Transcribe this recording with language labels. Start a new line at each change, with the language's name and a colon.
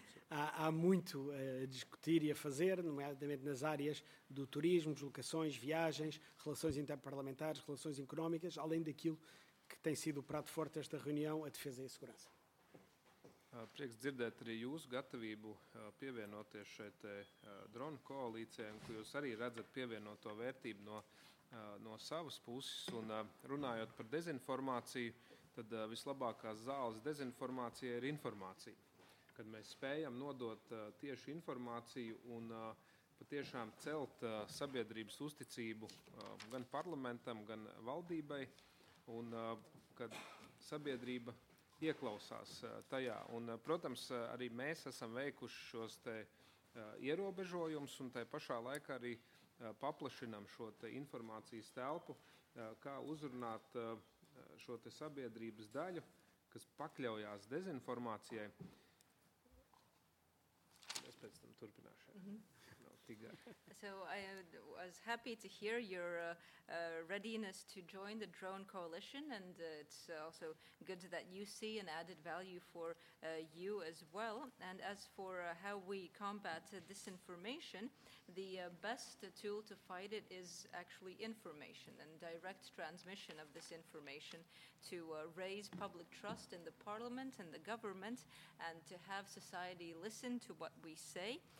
Portuguese: Há muito a discutir e a fazer, nomeadamente nas áreas do turismo, deslocações, viagens, relações interparlamentares, relações económicas, além daquilo que tem sido o prato forte desta reunião, a defesa e a segurança.
Latvian: Prieks dzirdēt arī jūsu gatavību pievienoties šeit drona koalīcijai, un ko jūs arī redzat pievienoto vērtību no savas puses, un runājot par dezinformāciju, tad vislabākās zāles dezinformācija ir informācija. Kad mēs spējam nodot tiešu informāciju un patiešām celt sabiedrības uzticību gan parlamentam, gan valdībai, un kad sabiedrība ieklausās tajā. Un, protams, arī mēs esam veikuši šos te ierobežojumus un tai pašā laikā arī paplašinām šo te informācijas telpu, kā uzrunāt šo te sabiedrības daļu, kas pakļaujās dezinformācijai. Es pēc tam turpināšu.
English: So I was happy to hear your readiness to join the drone coalition, and it's also good that you see an added value for you as well. And as for how we combat disinformation, the best tool to fight it is actually information and direct transmission of this information to raise public trust in the parliament and the government and to have society listen to what we say.